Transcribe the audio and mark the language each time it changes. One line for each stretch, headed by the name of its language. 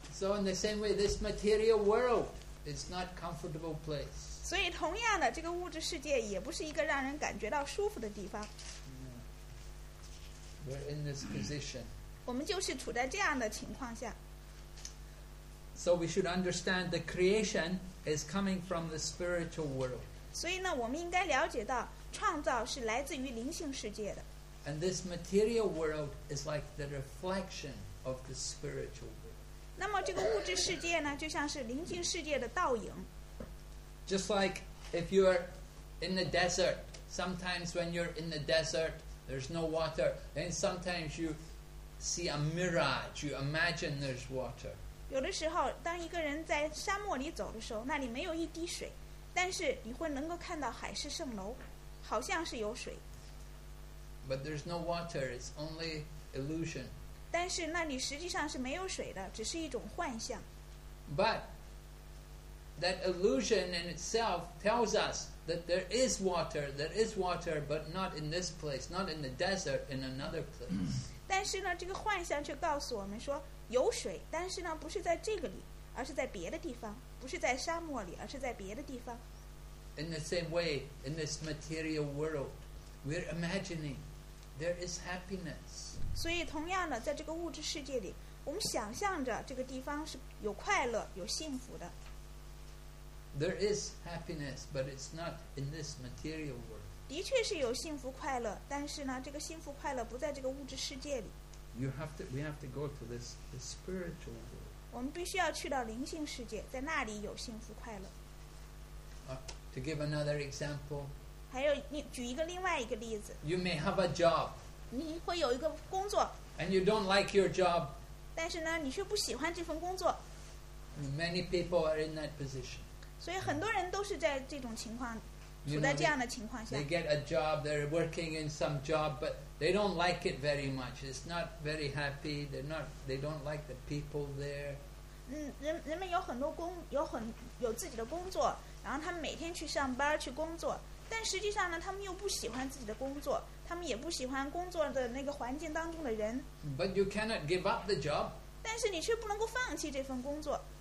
English: So in the same way, this material world is not a comfortable place.
Chinese: 所以同样的，这个物质世界也不是一个让人感觉到舒服的地方。
English: Yeah. We're in this position.
Chinese: 我们就是处在这样的情况下。
English: So we should understand the creation is coming from the spiritual world.
Chinese: 所以呢，我们应该了解到。创造是来自于灵性世界的。And
English: this material world is like the reflection of the spiritual world.
Chinese: 那么这个物质世界呢，就像是灵性世界的倒影。
English: Just like if you are in the desert, sometimes when you're in the desert, there's no water. Then sometimes you see a mirage, you imagine there's water.
Chinese: 有的时候，当一个人在沙漠里走的时候，那里没有一滴水。但是你会能够看到海市蜃楼, 好像是有水,
English: but there's no water, it's only illusion.
Chinese: 但是那里实际上是没有水的, 只是一种幻象。
English: But that illusion in itself tells us that there is water, but not in this place, not in the desert, in another place.
Chinese: 但是呢, 这个幻象却告诉我们说, 有水, 但是呢, 不是在这个里, 而是在别的地方, 不是在沙漠里, 而是在别的地方。
English: In the same way, in this material world, we're imagining there is happiness.
Chinese: 所以同样的, 在这个物质世界里, 我们想象着这个地方是有快乐, 有幸福的。
English: There is happiness, but it's not in this material world.
Chinese: 的确是有幸福快乐, 但是呢, 这个幸福快乐不在这个物质世界里。
English: We have to go to the spiritual world.
Chinese: 我们必须要去到灵性世界, 在那里有幸福快乐。
English: To give another example,
Chinese: 还有你举一个另外一个例子,
English: you may have a job,
Chinese: 你会有一个工作,
English: and you don't like your job,
Chinese: 但是呢, 你却不喜欢这份工作,
English: many people are in that position.
Chinese: 所以很多人都是在这种情况,
English: you know, they get a job, they're working in some job, but they don't like it very much. It's not very happy, they don't like the people there.
Chinese: 人们有很多工，有自己的工作，然后他们每天去上班去工作，但实际上呢，他们又不喜欢自己的工作，他们也不喜欢工作的那个环境当中的人。
English: But you cannot give up the job.
Chinese: 但是你却不能够放弃这份工作。